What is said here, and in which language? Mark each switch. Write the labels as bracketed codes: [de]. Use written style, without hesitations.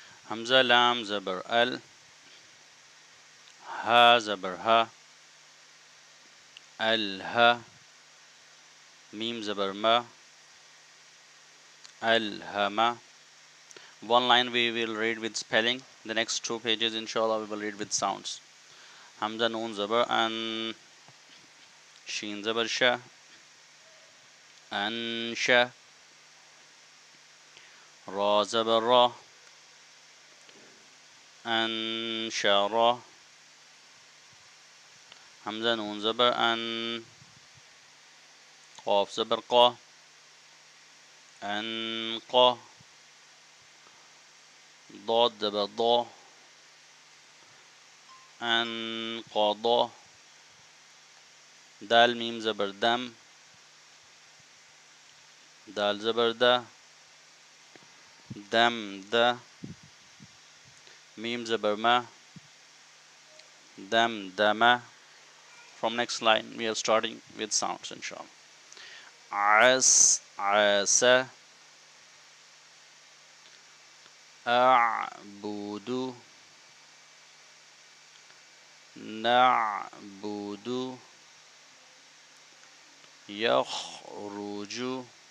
[ar] همزة لام زبر ال، ها زبر ها، ال ها، ميم زبر ما، ال ها ما. [en] One line we will read with spelling. The next two pages inshallah we will read with sounds. [ar] همزة نون زبر ان، شين زبر شا، أنشا، را زبر را، أنشرا، حمزة نون زبر أن، قاف زبر قا، أنقا، ضاد زبر ضا، أنقضا، دال ميم زبر دم، دال زبر دا، دم دا، ميم زبر ما، دم دما. [en] From next line we are starting with sounds inshallah. [ar] عس عسى، أعبد، نعبد، يخرج،